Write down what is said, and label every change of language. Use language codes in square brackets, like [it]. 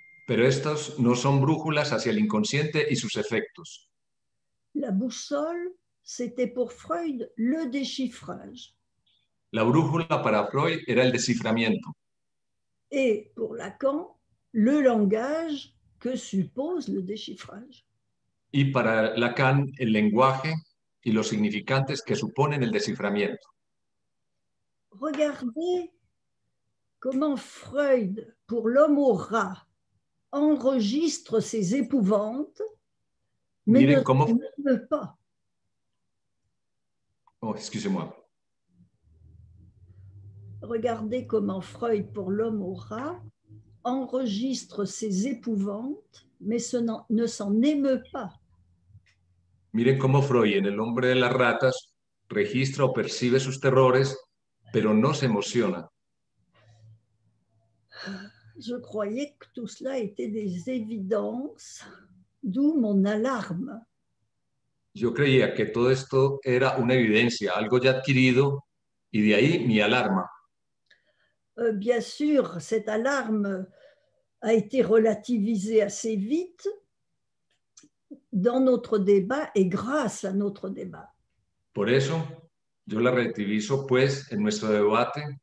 [es] Pero estos no son brújulas hacia el inconsciente y sus efectos. [fr] La boussole, c'était pour Freud le déchiffrage. [es] La brújula para Freud era el desciframiento. [fr] Et pour Lacan, le langage que suppose le déchiffrage. [es] Y para Lacan, el lenguaje y los significantes que suponen el desciframiento. [fr] Regardez comment Freud, pour l'homme au rat, enregistre ses épouvantes, mais [es] miren [fr] ne [es] cómo... [fr] filme pas. Oh, excusez-moi. Regardez comment Freud, pour l'homme au rat, enregistre ses épouvantes, mais ne s'en émeut pas. [es] Miren cómo Freud, en el hombre de las ratas, registra o percibe sus terrores, pero no se emociona. [fr] Je croyais que tout cela était des évidences, d'où mon alarme. [es] Yo creía que todo esto era una evidencia, algo ya adquirido, y de ahí mi alarma. [fr] Bien sûr, cette alarme a été relativisée assez vite dans notre débat et grâce à notre débat. [es] Por eso, yo la relativizo, pues, en nuestro debate.